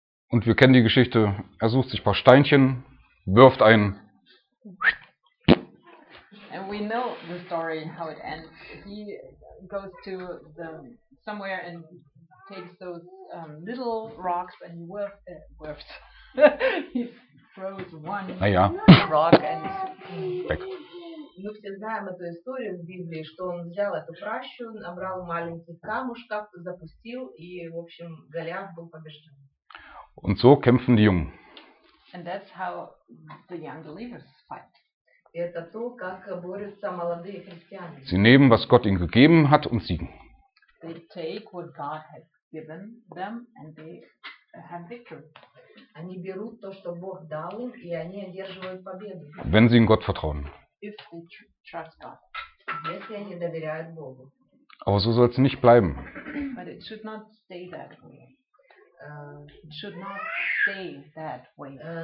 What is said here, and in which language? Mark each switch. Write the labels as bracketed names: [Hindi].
[German] Und wir kennen die Geschichte. Er sucht sich ein paar Steinchen, wirft einen. [English] And we know the story how it ends. He goes to the somewhere and takes those little rocks and he whiffs. He throws one rock and back. [Russian] Мы все знаем эту историю в Библии, что он взял эту пращу, набрал маленьких камушков, запустил и, в общем, Голиаф был побежден. [German] Und so kämpfen die Jungen. [English] And that's how the young believers fight. [Russian] Это то, как борются молодые христиане. [German] Sie nehmen, was Gott ihnen gegeben hat, und siegen. [English] They take what God has given them and they have victory. [Russian] Они берут то, что Бог дал им, и они одерживают победу. [German] Wenn sie in Gott vertrauen. [English] If they trust God. [Russian] Если они доверяют Богу. [German] Aber so soll es nicht bleiben. [English] But it should not stay that way. It should not stay that way.